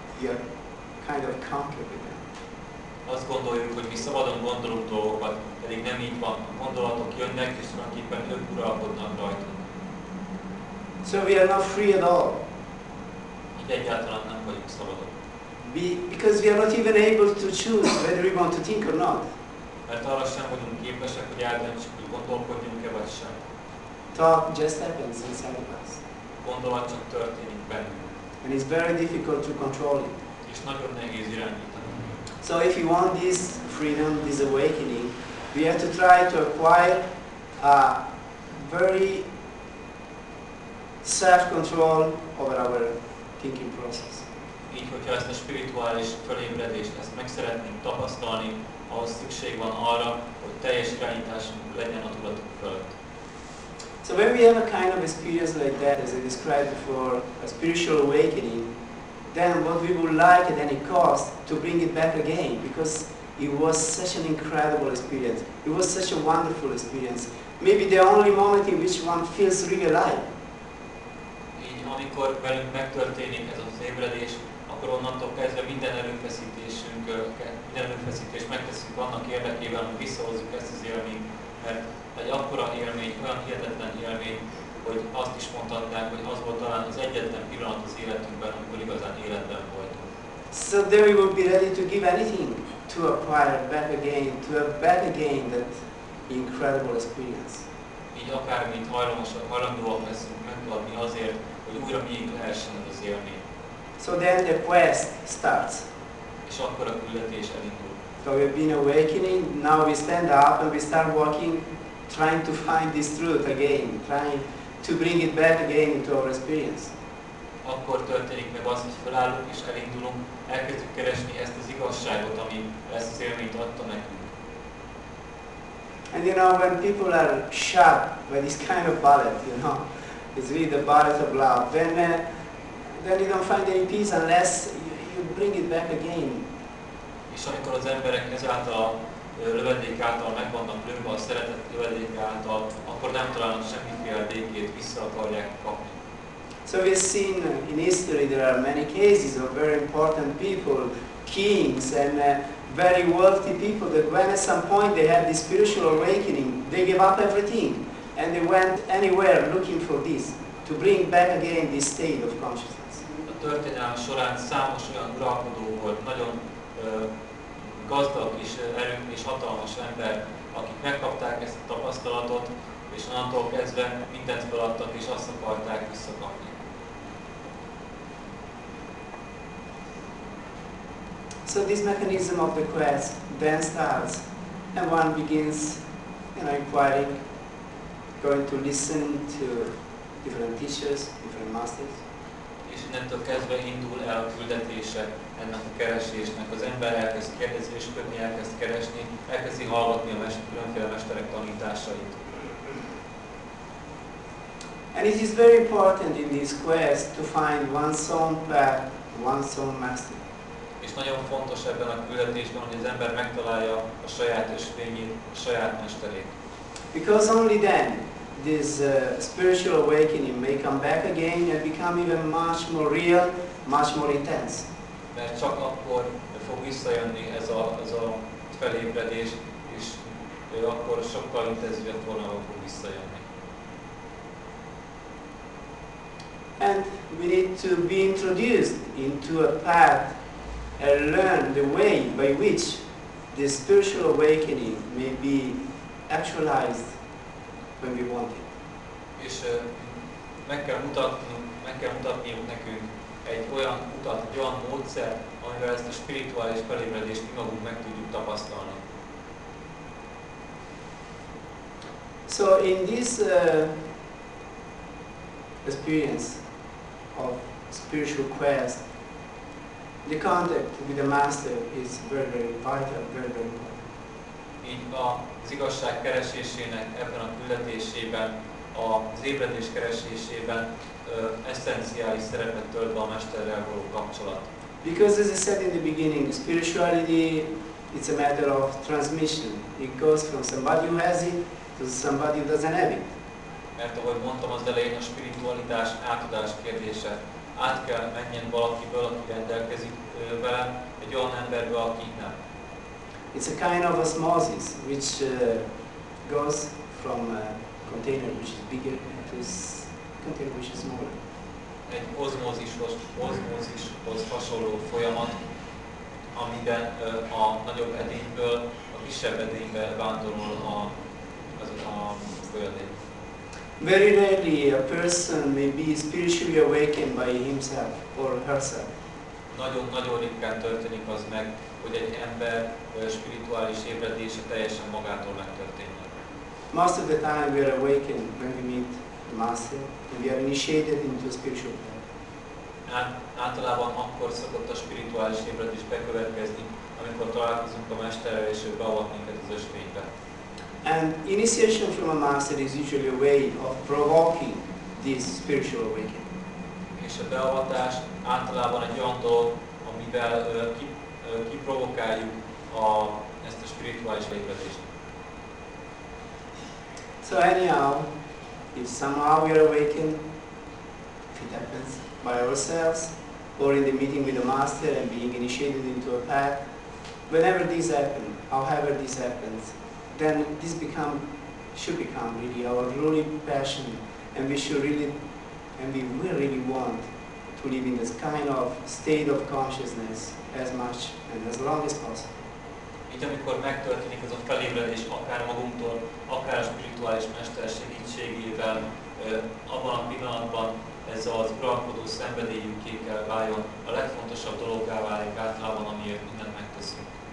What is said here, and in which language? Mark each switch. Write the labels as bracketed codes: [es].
[en] We are kind of conquered by them. [hu] Azt gondoljuk, hogy mi szabadon gondolunk dolgokat, pedig nem így van. A gondolatok jönnek, és tulajdonképpen ők uralkodnak rajtunk. [en] So we are not free at all. [hu] Így egyáltalán nem vagyunk szabadok. [en] Because we are not even able to choose whether we want to think or not. [hu] Mert arra sem vagyunk képesek, hogy eldöntsük, hogy gondolkodjunk-e vagy sem. [en] Talk just happens inside of us. [hu] A gondolat csak történik bennünk. [en] And it's very difficult to control it. [hu] És nagyon nehéz irányítani. [en] So if you want this freedom, this awakening, we have to try to acquire a very self-control over our thinking process. [hu] Így, hogyha ezt a spirituális fölébredést ezt meg szeretnénk tapasztalni, ahhoz szükség van arra, hogy teljes irányításunk legyen a tudatunk fölött. [en] So when we have a kind of experience like that, as I described before, a spiritual awakening, then what we would like at any cost to bring it back again, because it was such an incredible experience. It was such a wonderful experience. Maybe the only moment in which one feels really alive. [hu] Így amikor velünk megtörténik ez az ébredés, akkor onnantól kezdve minden erőfeszítést megteszünk annak érdekében, hogy visszahozzuk ezt az élményt, mert egy akkora élmény, olyan hihetetlen élmény, hogy azt is mondhatnánk, hogy az volt talán az egyetlen pillanat az életünkben, amikor igazán életben voltunk. [en] So then we would be ready to give anything to acquire back again, to have back again that incredible experience. [hu] Így akármint hajlandóak leszünk megadni azért, hogy újra miénk lehessen ez az élmény. [en] So then the quest starts. [hu] És akkor a küldetés elindul. [en] So we've been awakening, now we stand up and we start walking, trying to find this truth again, trying to bring it back again into our experience. [hu] Akkor történik meg az, hogy felállunk és elindulunk, elkezdjük keresni ezt az igazságot, ami ezt az élményt adta nekünk. [en] And you know, when people are sharp, when it's kind of bullet, you know, it's really the bullet of love, then you don't find any peace unless you bring it back again. [hu] És amikor az emberek ezáltal lövedék által meg vannak lőve, a szeretett lövedék által, akkor nem találnak semmiféle békét, vissza akarják kapni. [en] So we've seen in history there are many cases of very important people, kings and very wealthy people that when at some point they had this spiritual awakening, they gave up everything and they went anywhere looking for this, to bring back again this state of consciousness. [hu] A történelem során számos olyan uralkodó volt, nagyon gazdag és erős és hatalmas ember, akik megkapták ezt a tapasztalatot, és onnantól kezdve mindent feladtak és azt akarták visszakapni. [en] So this mechanism of the quest then starts, and one begins, you know, inquiring, going to listen to different teachers, different masters. [hu] És innentől kezdve indul el a küldetése ennek a keresésnek. Az ember elkezd kérdezni és követni, elkezd keresni, elkezdi hallgatni a különféle mesterek tanításait. [en] And it is very important in this quest to find one's own path, one's own master. [hu] És nagyon fontos ebben a küldetésben, hogy az ember megtalálja a saját ösvényét, a saját mesterét. [en] Because only then this spiritual awakening may come back again and become even much more real, much more intense. [hu] Mert csak akkor fog visszajönni ez a felébredés, és akkor sokkal intenzívebb formában fog visszajönni. [en] And we need to be introduced into a path and learn the way by which the spiritual awakening may be actualized when we want it. [hu] És meg kell mutatniuk nekünk egy olyan módszer, amivel ezt a spirituális felébredést mi magunk meg tudjuk tapasztalni. [en] So in this experience of spiritual quest, the contact with the master is very, very vital, very, very important. [hu] Így az igazság keresésének ebben a küldetésében, az ébredés keresésében esszenciális szerepet tölt be a mesterrel való kapcsolat. [en] Because as I said in the beginning, spirituality, it's a matter of transmission. It goes from somebody who has it to somebody who doesn't have it. [hu] Mert ahogy mondtam az elején, a spiritualitás átadás kérdése. Át kell menjen valakiből, aki rendelkezik vele, egy olyan emberből, aki nem. [en] It's a kind of osmosis, which goes from a container, which is bigger, to a container, which is smaller. [hu] Egy osmosishoz hasonló folyamat, amiben a nagyobb edényből, a kisebb edénybe vándorol a folyadék. [en] Very rarely a person may be spiritually awakened by himself or herself. [hu] Nagyon-nagyon ritkán történik az meg, hogy egy ember spirituális ébredése teljesen magától megtörténjen. [en] Most of the time we are awakened when we meet the Master, and we are initiated into spiritual path. [hu] Általában akkor szokott a spirituális ébredés bekövetkezni, amikor találkozunk a Mesterrel és ő beavat minket az ösvénybe. [en] And initiation from a Master is usually a way of provoking this spiritual awakening. [hu] És a beavatás általában egy olyan dolog, amivel kiprovokáljuk ezt a spirituális ébredést. [en] So anyhow, if somehow we are awakened, if it happens by ourselves, or in the meeting with the Master and being initiated into a path, whenever this happens, however this happens, then this should become really our ruling passion, and we will really want to live in this kind of state of consciousness as much and as long as possible. [hu] Így amikor megtörténik ez a felébredés, akár magunktól, akár a spirituális mester segítségével, abban a pillanatban ez az uralkodó szenvedélyünké kell váljon, a legfontosabb dologgá válik általában, amiért mindent megteszünk.